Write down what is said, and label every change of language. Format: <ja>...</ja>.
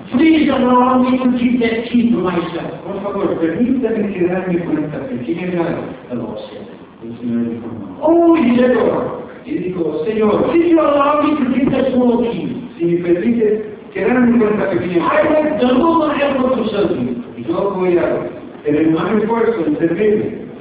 <en>Please allow me to keep that key to myself.</en> <es>Por favor, permítame quedarme con esta pequeña llave.</es> <en>The Lord said.</en> <es>El Señor dijo, no. Oh, Señor. Y dijo, Señor.</es> <en>Did you allow me to keep that small key?</en> <es>Si me permite quedarme con esta pequeña llave.</es> <en>I have double my effort to serve you.</en> <es>Yo voy a tener más esfuerzo en servirle.</es>